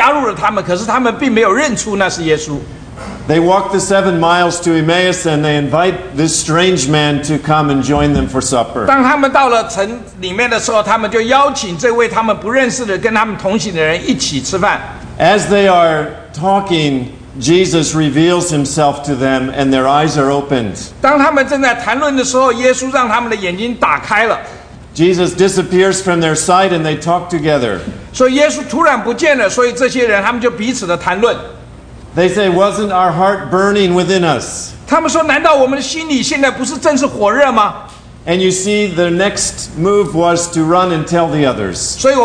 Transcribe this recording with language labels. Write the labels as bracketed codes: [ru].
[zh] 当他们在行路谈话的时候，耶稣加入了他们，可是他们并没有认出那是耶稣。 [en] They walk the 7 miles to Emmaus, and they invite this strange man to come and join them for supper. [zh] 当他们到了城里面的时候，他们就邀请这位他们不认识的跟他们同行的人一起吃饭。 [en] As they are talking, Jesus reveals himself to them and their eyes are opened. [zh] 当他们正在谈论的时候，耶稣让他们的眼睛打开了。Jesus [en] disappears from their sight and they talk together. [zh] 所以耶稣突然不见了，所以这些人他们就彼此的谈论。 [en] They say, wasn't our heart burning within us? [zh] 他们说，难道我们的心里现在不是正是火热吗？ [en] And you see, the next move was to run and tell the others.